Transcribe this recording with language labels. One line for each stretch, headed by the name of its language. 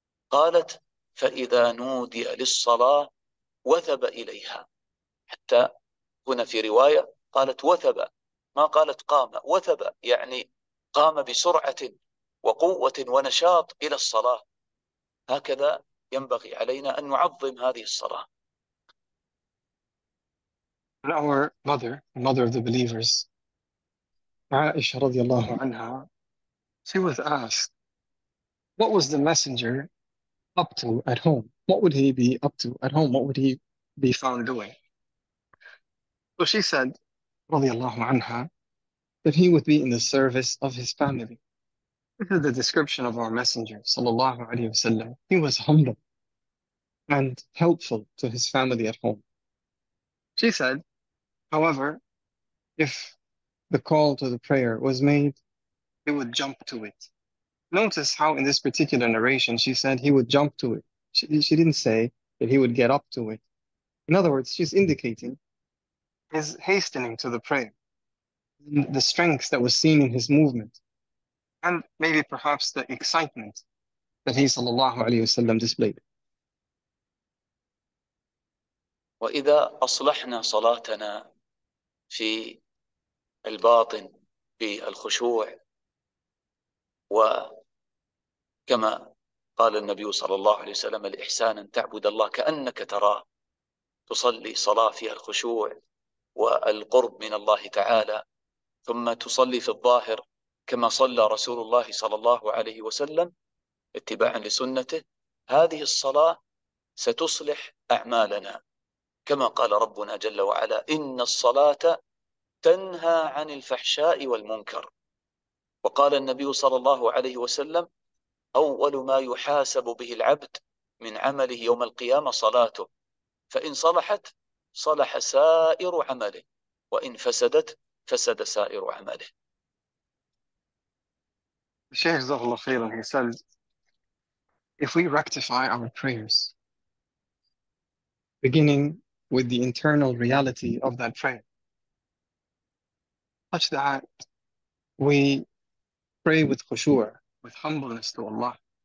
Arabic: قالت فإذا نودي للصلاة وثب إليها، حتى هنا في رواية قالت وثب ما قالت قام، وثب يعني قام بسرعة وقوة ونشاط إلى الصلاة. هكذا ينبغي علينا أن نعظم هذه الصلاة.
English: And our mother, the mother of the believers, Aisha
Arabic: radiallahu anha,
English: she was asked, what was the messenger up to at home? What would he be up to at home? What would he be found doing? So she said,
Arabic: radiallahu anha,
English: that he would be in the service of his family. This is the description of our messenger,
Arabic: sallallahu alayhi wa sallam.
English: He was humble and helpful to his family at home. She said, However, if the call to the prayer was made, he would jump to it. Notice how in this particular narration, she said he would jump to it. She didn't say that he would get up to it. In other words, she's indicating his hastening to the prayer, the strength that was seen in his movement, and maybe perhaps the excitement that he,
Arabic: sallallahu alayhi wasallam,
English: displayed.
Arabic: وإذا أصلحنا صلاتنا في الباطن بالخشوع، وكما قال النبي صلى الله عليه وسلم: الإحسان أن تعبد الله كأنك تراه، تصلي صلاة فيها الخشوع والقرب من الله تعالى، ثم تصلي في الظاهر كما صلى رسول الله صلى الله عليه وسلم اتباعا لسنته، هذه الصلاة ستصلح أعمالنا، كما قال ربنا جل وعلا: إن الصلاة تنهى عن الفحشاء والمنكر. وقال النبي صلى الله عليه وسلم: أول ما يحاسب به العبد من عمله يوم القيامة صلاته، فإن صلحت صلح سائر عمله، وإن فسدت فسد سائر عمله.
English: Shaykh
Arabic: Zahullah Allah Khairan,
English: he said, if we rectify our prayers, beginning with the internal reality of that prayer, such that we pray with khushu', with humbleness to Allah,